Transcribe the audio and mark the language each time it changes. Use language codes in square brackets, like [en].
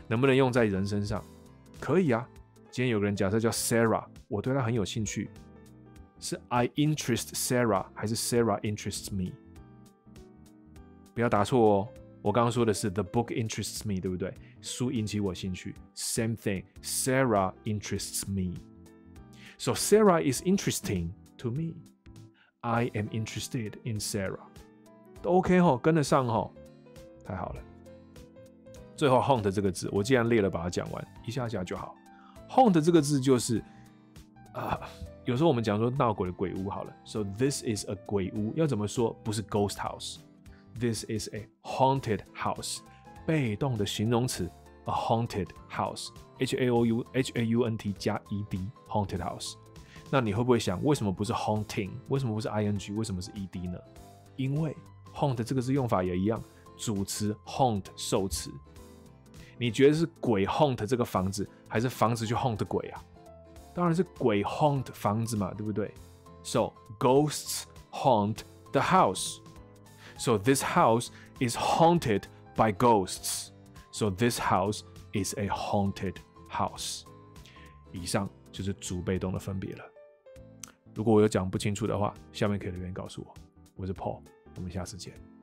[zh] 能不能用在人身上？可以啊。今天有个人假设叫 Sarah, 我对他很有兴趣，是 [en] I interest Sarah [zh] 还是 [en] Sarah interests me? [zh] 不要答错哦，我刚刚说的是 [en] the book interests me, [zh] 对不对？书引起我兴趣， [en] same thing, Sarah interests meSo Sarah is interesting to me. I am interested in Sarah. [zh] 都 OK 齁，跟得上齁，太好了。最后 haunt 这个字，我既然列了把它讲完，一下下就好。 haunt 这个字就是有时候我们讲说闹鬼的鬼屋好了。 [en] So this is a [zh] 鬼屋，要怎么说？不是 [en] ghost house. This is a haunted house. [zh] 被动的形容词。 [en] A haunted house, H-A-O-U-H-A-U-N-T 加 E-D, haunted house. [zh] 那你会不会想，为什么不是 haunting? 为什么不是 ing? 为什么是 ed 呢？因为 haunt 这个字用法也一样，主词 haunt 受词。你觉得是鬼 haunt 这个房子，还是房子去 haunt 鬼啊？当然是鬼 haunt 房子嘛，对不对？ [en] So ghosts haunt the house. So this house is haunted by ghosts. So this house is a haunted house. [zh] 以上就是主被动的分别了。如果我有讲不清楚的话，下面可以留言告诉我。我是 Paul， 我们下次见。